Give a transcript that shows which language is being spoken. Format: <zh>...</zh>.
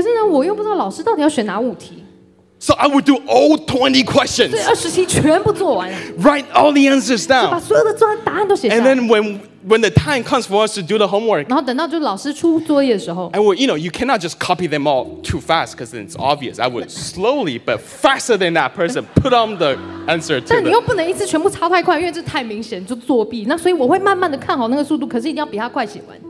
<zh>可是呢，我又不知道老师到底要选哪五题。</zh> <en>So I would do all 20 questions.</en> <zh>对，二十题全部做完。</zh> <en>Write all the answers down.</en> <zh>把所有的答案都写下来。</zh> <en>And then when the time comes for us to do the homework.</en> <zh>然后等到就老师出作业的时候。</zh> <en>I would, you know, you cannot just copy them all too fast because then it's obvious. I would slowly but faster than that person put on the answer.</en> <zh>但你又不能一次全部抄太快，因为这太明显就作弊。那所以我会慢慢的看好那个速度，可是一定要比他快写完。</zh>